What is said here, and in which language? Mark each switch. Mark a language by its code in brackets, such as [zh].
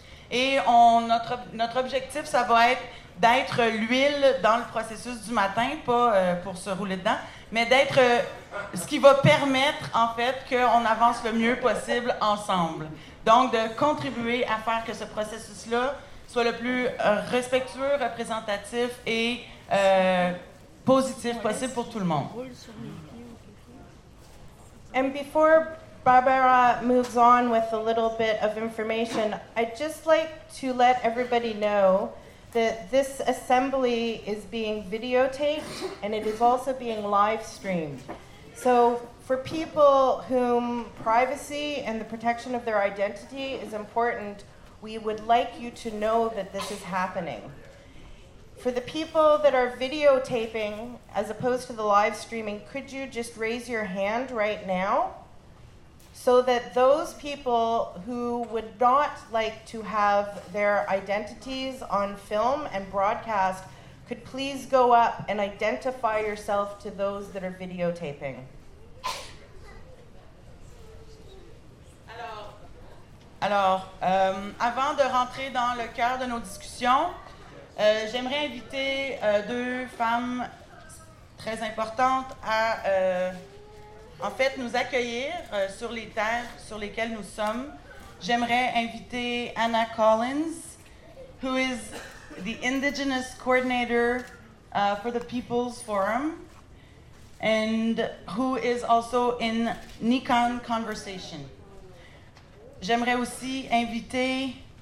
[fr] Et notre objectif, ça va être d'être l'huile dans le processus du matin, pas pour se rouler dedans, mais d'être ce qui va permettre, en fait, qu'on avance le mieux possible ensemble. Donc, de contribuer à faire que ce processus-là soit le plus respectueux, représentatif et positif possible pour tout le monde. [en] And before Barbara moves on with a little bit of information, I'd just like to let everybody know that this assembly is being videotaped and it is also being live streamed. So for people whom privacy and the protection of their identity is important, we would like you to know that this is happening. For the people that are videotaping, as opposed to the live streaming, could you just raise your hand right now so that those people who would not like to have their identities on film and broadcast could please go up and identify yourself to those that are videotaping? [fr] Alors, avant de rentrer dans le cœur de nos discussions, j'aimerais inviter deux femmes très importantes à, en fait, nous accueillir sur les terres sur lesquelles nous sommes. J'aimerais inviter [en] Anna Collins, who is the Indigenous Coordinator for the People's Forum, and who is also in Nikan Conversation. [fr] J'aimerais aussi inviter...